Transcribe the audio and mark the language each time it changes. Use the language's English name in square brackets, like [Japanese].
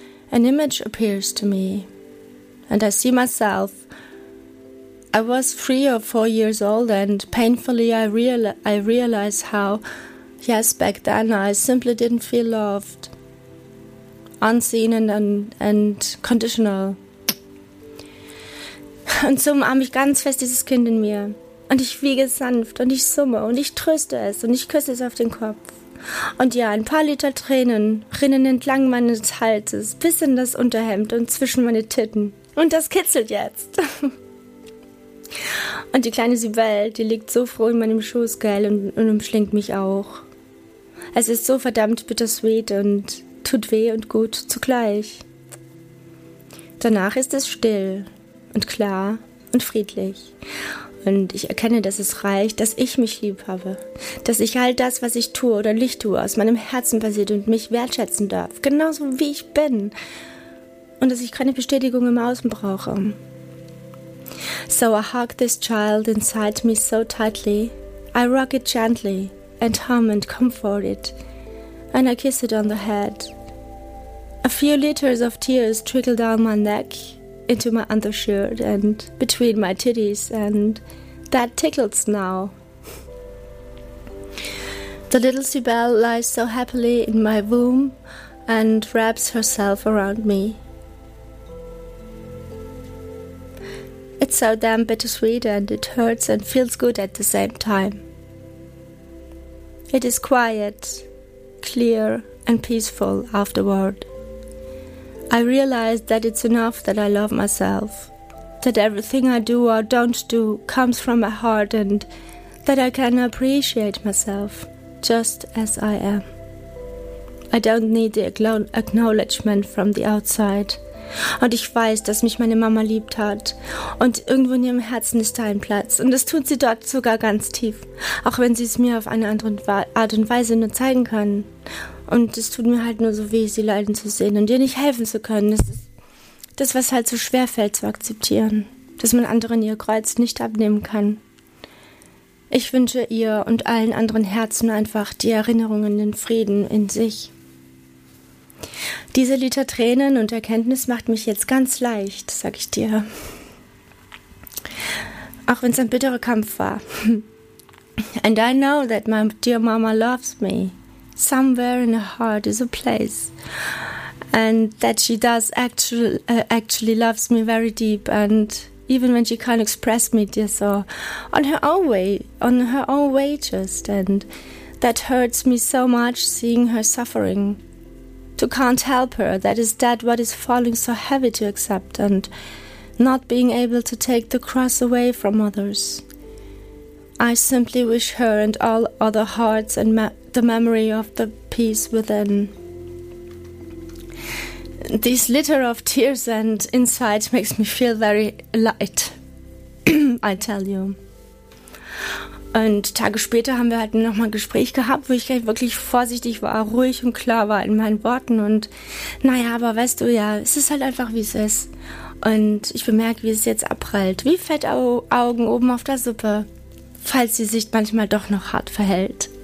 [English] An image appears to me, and I see myself. I was 3 or 4 years old, and painfully I realize how, yes, back then I simply didn't feel loved, unseen and conditional. [German] Und so umarme ich ganz fest dieses Kind in mir. Und ich wiege sanft und ich summe und ich tröste es und ich küsse es auf den Kopf. Und ja, ein paar Liter Tränen rinnen entlang meines Halses bis in das Unterhemd und zwischen meine Titten. Und das kitzelt jetzt. Und die kleine Sibel, die liegt so froh in meinem Schoß, gell, und umschlingt mich auch. Es ist so verdammt bittersweet und tut weh und gut zugleich. Danach ist es still und klar und friedlich. Und ich erkenne, dass es reicht, dass ich mich lieb habe. Dass ich all das, was ich tue oder nicht tue, aus meinem Herzen passiert und mich wertschätzen darf. Genauso wie ich bin. Und dass ich keine Bestätigung im Außen brauche. [English] So I hug this child inside me so tightly. I rock it gently and hum and comfort it. And I kiss it on the head. A few liters of tears trickle down my neck, into my undershirt and between my titties, and that tickles now. The little Sibel lies so happily in my womb and wraps herself around me. It's so damn bittersweet and it hurts and feels good at the same time. It is quiet, clear and peaceful afterward. I realize that it's enough that I love myself, that everything I do or don't do comes from my heart, and that I can appreciate myself just as I am. I don't need the acknowledgement from the outside. [German] Und ich weiß, dass mich meine Mama liebt hat. Und irgendwo in ihrem Herzen ist da ein Platz. Und das tut sie dort sogar ganz tief, auch wenn sie es mir auf eine andere Art und Weise nur zeigen kann. Und es tut mir halt nur so weh, sie leiden zu sehen und ihr nicht helfen zu können. Das ist das, was halt so schwer fällt zu akzeptieren, dass man anderen ihr Kreuz nicht abnehmen kann. Ich wünsche ihr und allen anderen Herzen einfach die Erinnerungen, den Frieden in sich. Diese Liter Tränen und Erkenntnis macht mich jetzt ganz leicht, sag ich dir. Auch wenn es ein bitterer Kampf war. [English] And I know that my dear mama loves me. Somewhere in her heart is a place. and that she does actually loves me very deep, and even when she can't express me this or on her own way just, and that hurts me so much seeing her suffering, to can't help her, that is that what is falling so heavy to accept, and not being able to take the cross away from others. I simply wish her and all other hearts and the memory of the peace within. This litter of tears and insight makes me feel very light, I tell you. [German] Und Tage später haben wir halt nochmal ein Gespräch gehabt, wo ich wirklich vorsichtig war, ruhig und klar war in meinen Worten. Und naja, aber weißt du ja, es ist halt einfach, wie es ist. Und ich bemerke, wie es jetzt abprallt, wie Fettaugen oben auf der Suppe, falls sie sich manchmal doch noch hart verhält.